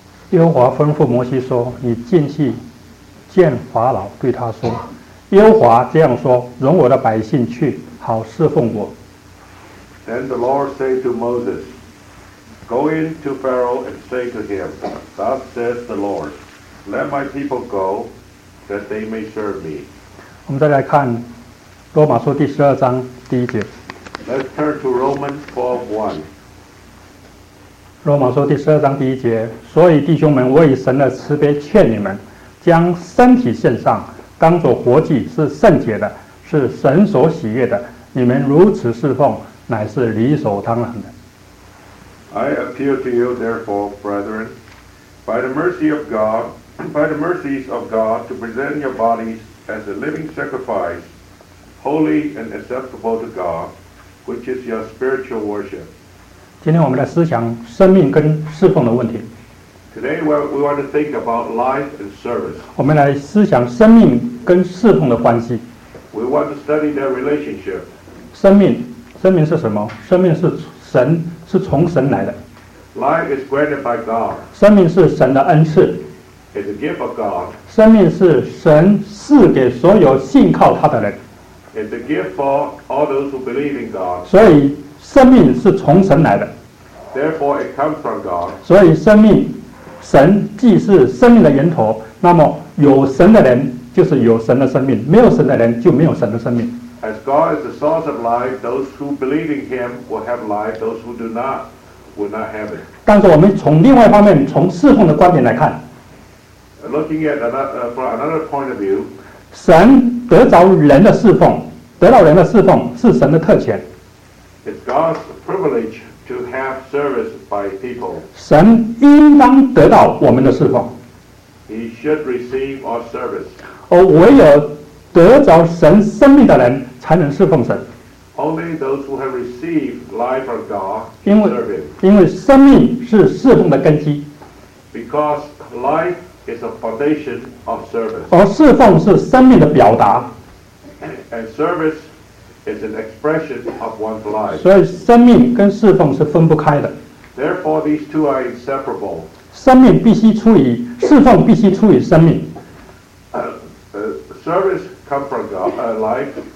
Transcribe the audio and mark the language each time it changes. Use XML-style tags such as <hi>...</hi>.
<zh>耶和华吩咐摩西说：你进去见法老，对他说，耶和华这样说，容我的百姓去，好侍奉我。</zh> <en>Then the Lord said to Moses, Go in to Pharaoh and say to him, Thus says the Lord, Let my people go, that they may serve me.</en> <zh>我们再来看罗马书第十二章第一节。</zh> <en>Let's turn to Romans 12:1.</en> <zh>罗马书第十二章第一节，所以弟兄们，我以神的慈悲劝你们，将身体献上，当作活祭，是圣洁的，是神所喜悦的。你们如此侍奉，乃是理所当然的。</zh> <en>I appeal to you, therefore, brethren, by the mercy of God, by the mercies of God, to present your bodies as a living sacrifice, holy and acceptable to God, which is your spiritual worship.</en> <zh>今天我们来思想生命跟侍奉的问题。</zh> <en>Today we want to think about life and service.</en> <zh>我们来思想生命跟侍奉的关系。</zh> <en>We want to study their relationship.</en> <zh>生命。生命是什么？生命是神，是从神来的。</zh> <en>Life is granted by God.</en> <zh>生命是神的恩赐。</zh> <en>It's a gift of God.</en> <zh>生命是神赐给所有信靠他的人。</zh> <en>It's a gift for all those who believe in God.</en> <zh>所以生命是从神来的。</zh> <en>Therefore, it comes from God.</en> <zh>所以生命，神既是生命的源头，那么有神的人就是有神的生命，没有神的人就没有神的生命。</zh> <en>As God is the source of life, those who believe in Him will have life. Those who do not will not have it.</en> <zh>但是我们从另外一方面，从侍奉的观点来看</zh> <en>，Looking at another, from another point of view,</en> <zh>神得着人的侍奉，得到人的侍奉是神的特权。</zh> <en>It's God's privilege to have service by people.</en> <zh>神应当得到我们的侍奉。</zh> <en>He should receive our service.</en> <zh>而唯有得着神生命的人才能侍奉神。</zh> <en>Only those who have received life from God can serve Him.</en> <zh>因为生命是侍奉的根基。</zh> <en>Because life is a foundation of service.</en> <zh>而侍奉是生命的表达。</zh> <en>And service is an expression of one's life.</en> <zh>所以生命跟侍奉是分不开的。</zh> <en>Therefore, these two are inseparable.</en> <zh>生命必须出于侍奉，必须出于生命。</zh> <en>service come from God, life,</en>